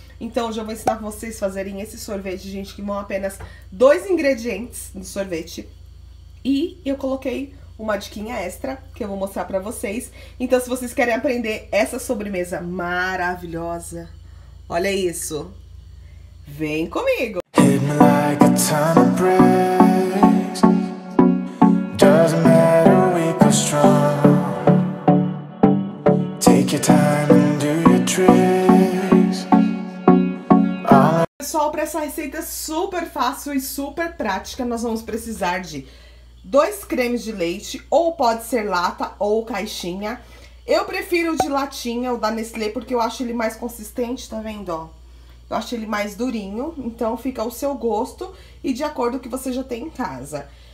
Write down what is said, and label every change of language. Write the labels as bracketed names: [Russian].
[Portuguese] Então, hoje eu vou ensinar vocês a fazerem esse sorvete, gente, que vão apenas dois ingredientes no sorvete. E eu coloquei uma diquinha extra que eu vou mostrar para vocês. Então, se vocês querem aprender essa sobremesa maravilhosa, olha isso. Vem comigo! [English] Hit me like a ton of bricks. Doesn't matter, weak or strong. Take your time and do your tricks. [Portuguese] Pessoal, para essa receita super fácil e super prática, nós vamos precisar de dois cremes de leite, ou pode ser lata ou caixinha. Eu prefiro o de latinha, o da Nestlé, porque eu acho ele mais consistente, tá vendo, ó? Eu acho ele mais durinho, então fica ao seu gosto e de acordo com o que você já tem em casa.